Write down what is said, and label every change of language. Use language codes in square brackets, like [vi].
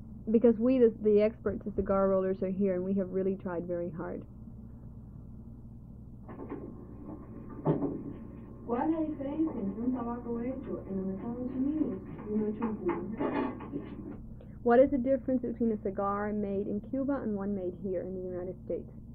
[en] Because we, the experts, the cigar rollers, are here, and we have really tried very hard. [es] ¿Cuál es la diferencia entre un tabaco hecho en los Estados Unidos y uno hecho en Cuba? [en] What is the difference between a cigar made in Cuba and one made here in the United States?